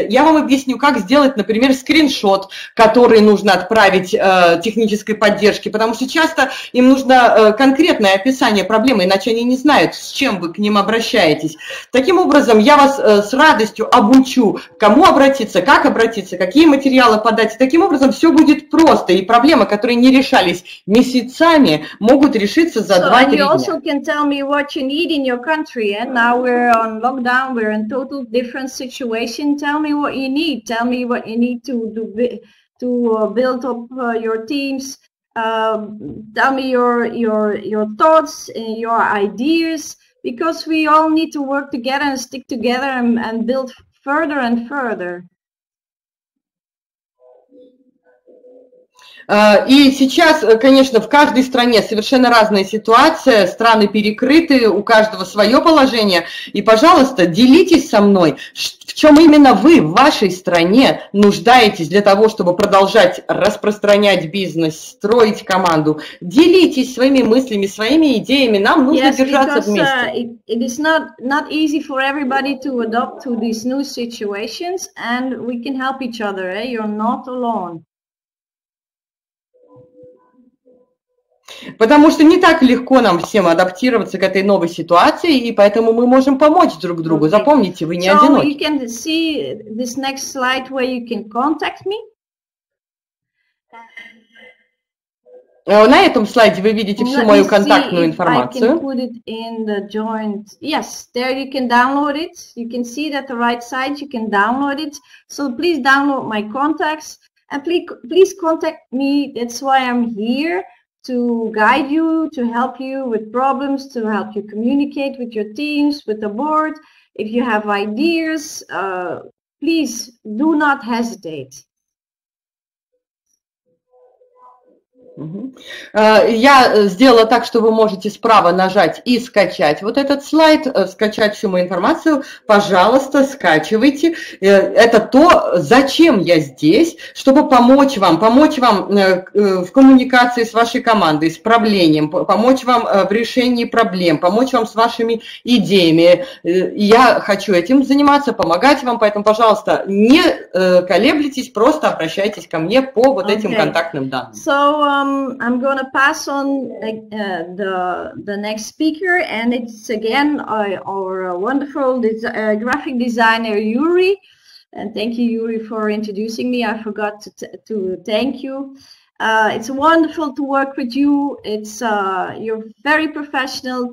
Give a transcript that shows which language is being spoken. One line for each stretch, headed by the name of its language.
Russian: Я вам объясню, как сделать, например, скриншот, который нужно отправить технической поддержке, потому что часто им нужно конкретное описание проблемы, иначе они не знают, с чем вы к ним обращаетесь. Таким образом, я вас с радостью обучу, к кому обратиться, как обратиться, какие материалы подать. Таким образом, все будет просто. И проблемы, которые не решались месяцами, могут решиться за 2-3 дня.
English: So, and you also can tell me what you need in your country. And now we're on lockdown, we're in total different situation. Tell me what you need. Tell me what you need to build up your teams. Tell me your thoughts, your ideas, because we all need to work together and stick together and build further and further.
Russian: И сейчас, конечно, в каждой стране совершенно разная ситуация, страны перекрыты, у каждого свое положение. И, пожалуйста, делитесь со мной, в чем именно вы в вашей стране нуждаетесь для того, чтобы продолжать распространять бизнес, строить команду. Делитесь своими мыслями, своими идеями, нам нужно
English: yes,
Russian: держаться
English: because,
Russian: вместе.
English: It is not easy for everybody to adapt to these new situations, and we can help each other, eh? You're not alone.
Russian: Потому что не так легко нам всем адаптироваться к этой новой ситуации, и поэтому мы можем помочь друг другу. Okay. Запомните, вы не
English: so
Russian: одиноки.
English: You can see this next slide where you can contact me.
Russian: На этом слайде вы видите всю мою контактную информацию.
English: I can put it in the joint. Yes, there you can download it. You can see that the right side you can download it. So please download my contacts and please contact me. That's why I'm here. To guide you, to help you with problems, to help you communicate with your teams, with the board. If you have ideas, please do not hesitate.
Russian: Я сделала так, что вы можете справа нажать и скачать вот этот слайд, скачать всю мою информацию. Пожалуйста, скачивайте. Это то, зачем я здесь, чтобы помочь вам в коммуникации с вашей командой, с правлением, помочь вам в решении проблем, помочь вам с вашими идеями. Я хочу этим заниматься, помогать вам, поэтому, пожалуйста, не колеблетесь, просто обращайтесь ко мне по вот этим контактным данным.
English: I'm going to pass on the next speaker, and it's again our wonderful graphic designer Yuri. And thank you, Yuri, for introducing me. I forgot to thank you. It's wonderful to work with you. It's you're very professional.